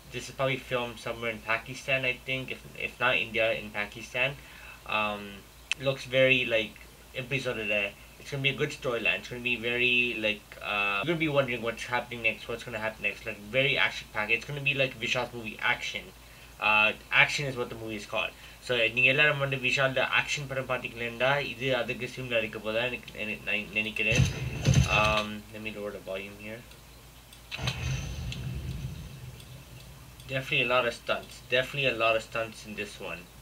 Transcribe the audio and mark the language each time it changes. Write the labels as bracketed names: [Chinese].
[English] This is probably filmed somewhere in Pakistan, I think, if not India, in Pakistan. Looks very like episode of that. It's gonna be a good storyline. It's gonna be very like you're gonna be wondering what's gonna happen next, like very action packed. It's gonna be like Vishal's movie action. Action is what the movie is called. [Tamil] So, நீங்க எல்லாரும் வந்து Vishal action படம் பார்த்தீங்களா இது அதுக்கு சிம்ல இருக்க போதா நினைக்கிறேன். [English] Let me lower the volume here. Definitely a lot of stunts in this one.